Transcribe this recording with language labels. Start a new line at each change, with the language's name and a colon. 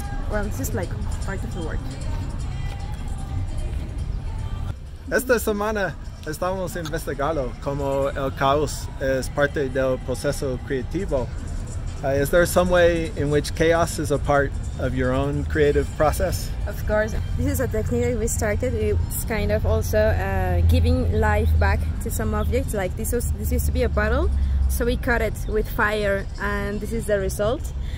English: Well, this is like part of the work.
Spanish: Esta semana estamos investigando cómo el caos es parte del proceso creativo.
English: Is there some way in which chaos is a part of your own creative process? Of course. This is a technique that we started. It's kind of also giving life back to some objects. Like this used to be a bottle, so we cut it with fire, and this is the result.